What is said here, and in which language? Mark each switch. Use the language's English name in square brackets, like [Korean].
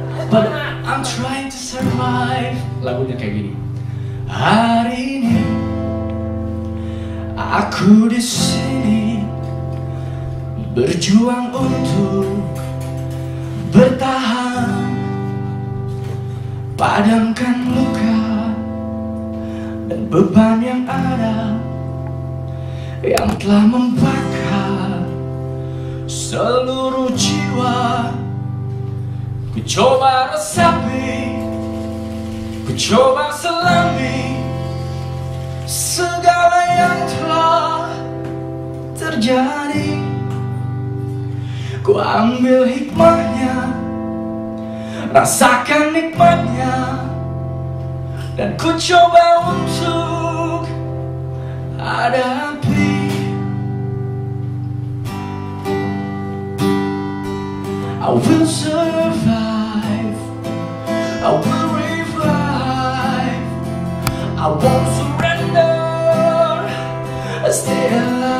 [English] But I'm trying to survive. [Indonesian] Lagunya kayak gini. Hari ini aku di sini berjuang untuk bertahan, padamkan luka dan beban yang ada, yang telah membakar seluruh jiwa. Ku coba resapi, ku coba selami segala yang telah terjadi. Ku ambil hikmahnya, rasakan nikmatnya, dan ku coba untuk hadapi. [English] I will survive, I will revive, I won't surrender, I stay alive.